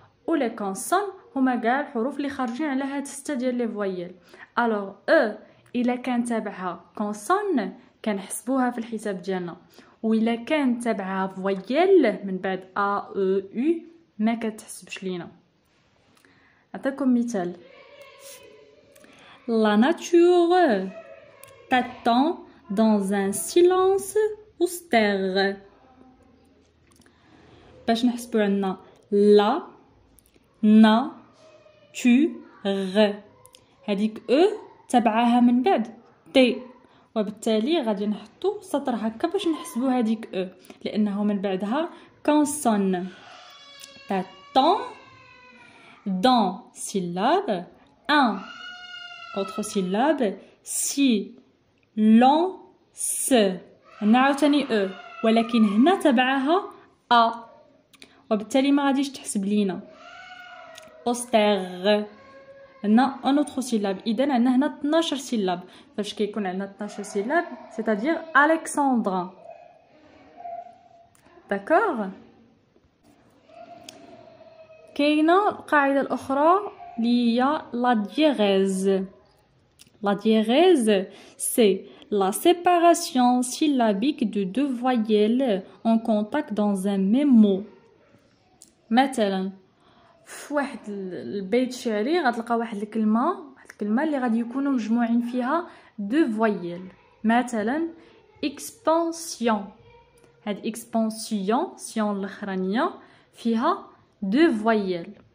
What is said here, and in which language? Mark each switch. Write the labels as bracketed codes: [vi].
[ar] و لي كونسون هما كاع الحروف اللي خارجين على هاد 6 ديال لي فويل. الوغ E الا كان تابعها كونسون كنحسبوها في الحساب ديالنا، و الا كان تابعها فويل من بعد A E U ما كتحسبش لينا. أعطيكم مثال. [fr] La nature t'attend dans un silence austère. [ar] باش نحسبو عندنا la na tu re، هاديك e تبعها من بعد تي، وبالتالي غادي نحطو سطر هكا باش نحسبو هاديك e لأنه من بعدها consonne. [fr] T'attends dans syllabe un autre syllabe si l'on se n'aoutani e [ar] ولكن هنا تبعها a وبالتالي ما غاديش تحسب لينا [fr] austère هنا un autre syllabe. [ar] اذا عندنا هنا 12 syllabe. فاش كيكون عندنا 12 syllabe [fr] c'est-à-dire Alexandre. d'accord. [ar] كاينه القاعده الاخرى اللي هي لا ديغيز. لا ديغيز سي [fr] La séparation syllabique de deux voyelles en contact dans un même mot. [ar] مثلا في واحد البيت شعري غتلقى واحد الكلمة اللي غادي يكونوا مجموعين فيها دو فويل. مثلا اكسبانسيون، هاد اكسبانسيون سيون الاخرانيه فيها دو فويل.